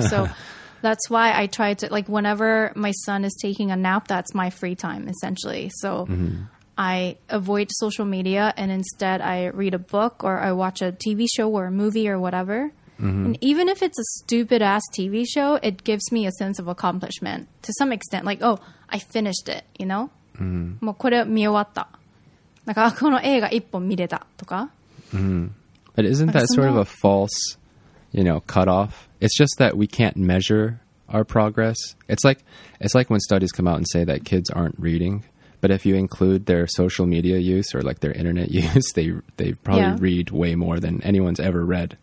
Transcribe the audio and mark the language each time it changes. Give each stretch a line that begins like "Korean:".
English: So that's why I try to, like, whenever my son is taking a nap, that's my free time essentially. So I avoid social media, and instead I read a book or I watch a TV show or a movie or whatever. And even if it's a stupid ass TV show, it gives me a sense of accomplishment to some extent. Like, oh, I finished it, you know?
Japanese: もうこれ見終わった。なんか、この映画一本見れたとか。
English: But isn't that sort of a false, you know, cutoff? It's just that we can't measure our progress. It's like when studies come out and say that kids aren't reading. But if you include their social media use or like their internet use, they probably read way more than anyone's ever read.